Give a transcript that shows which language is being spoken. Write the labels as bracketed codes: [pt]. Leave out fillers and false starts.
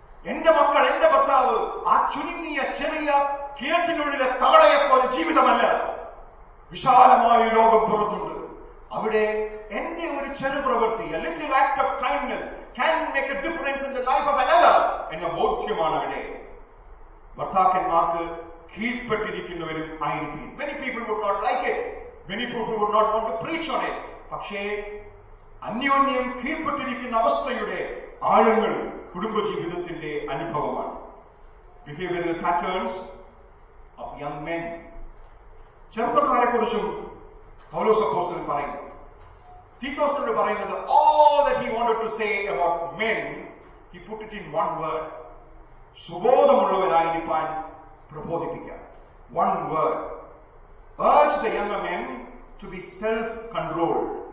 [ml] എന്റെ മക്കൾ, എന്റെ ഭർത്താവ് ആ ചുരുങ്ങിയ ചെറിയ കേട്ടിനുള്ളിലെ തവളയെ പോലെ ജീവിതമല്ല, വിശാലമായ ലോകം പുറത്തുണ്ട്. അവിടെ എന്റെ ഒരു ചെറു പ്രവൃത്തി, a little act of kindness can make a difference in the life of another എന്ന ബോധ്യമാണ് അവിടെ. ഭർത്താക്കന്മാർക്ക് കീഴ്പ്പെട്ടിരിക്കുന്നവരും ആയിരിക്കും. [en] Many people would not like it. Many people would not want to preach on it. [ml] പക്ഷേ അന്യോന്യം കീഴ്പ്പെട്ടിരിക്കുന്ന അവസ്ഥയുടെ ആഴങ്ങൾ കുടുംബജീവിതത്തിന്റെ അനുഭവമാണ്. Behavioral patterns of young men. ചെറുപ്പക്കാരെ കുറിച്ചും പൗലോസ് അപ്പോസ്തലൻ പറയുന്നു. [en] തീത്തോസിനോട് പറയുന്നത് all that he wanted to say about men, he put it in one word. [ml] സുബോധമുള്ളവരായിരിക്കാൻ പ്രബോധിപ്പിക്കാം. [en] One word. Urge the younger men to be self-controlled.